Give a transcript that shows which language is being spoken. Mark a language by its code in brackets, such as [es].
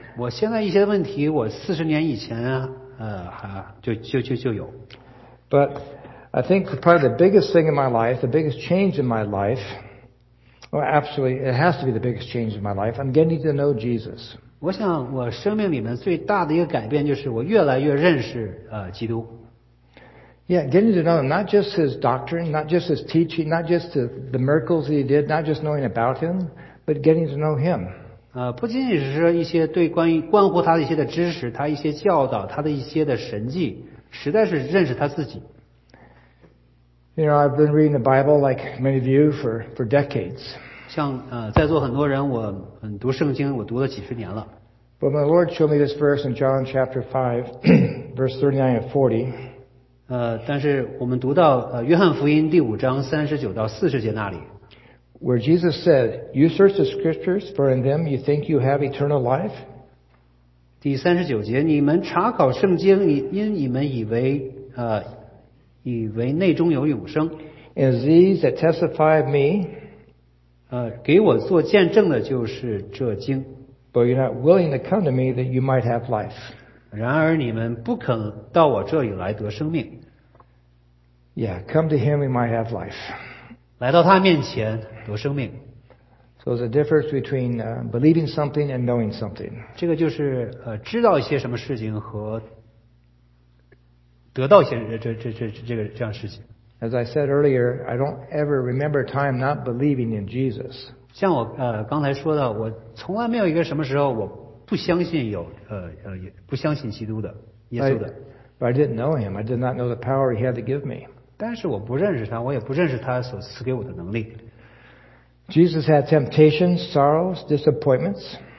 [zh] 我现在一些问题我40年以前就有。 [en] But I think probably the biggest thing in my life, the biggest change in my life, well absolutely, it has to be the biggest change in my life, I'm getting to know Jesus. [zh] 我想我生命里面最大的一个改变就是我越来越认识基督。 [en] Yeah, getting to know him, not just his doctrine, not just his teaching, not just the miracles that he did, not just knowing about him, but getting to know him. [zh] 不仅仅是说一些对关乎他的一些的知识，他一些教导，他的一些的神迹，实在是认识他自己。 [en] You know, I've been reading the Bible like many of you for decades. [zh] 像在座很多人我读圣经我读了几十年了。 [en] But my Lord showed me this verse in John chapter 5, verse 39 and 40. [zh] 但是我们读到约翰福音第五章39到40节那里。 [en] Where Jesus said, you search the scriptures, for in them you think you have eternal life. [zh] 第39节你们查考圣经因你们以为内中有永生。 [en] And these that testify of me, [zh] 给我做见证的就是这经。 [en] But you're not willing to come to me that you might have life. [zh] 然而你们不肯到我这里来得生命。 [en] Yeah, come to him, we might have life. [zh] 来到他面前得生命。 [en] So there's a difference between believing something and knowing something. [zh] 这个就是知道一些什么事情和得到一些这样事情。 [en] As I said earlier, I don't ever remember time not believing in Jesus. [zh] 像我刚才说的，我从来没有一个什么时候我不相信不相信基督的耶稣的。 [en] But I didn't know him. I did not know the power he had to give me. [zh] 但是我不认识他，我也不认识他所赐给我的能力。 [en] Jesus had temptations, sorrows, disappointments.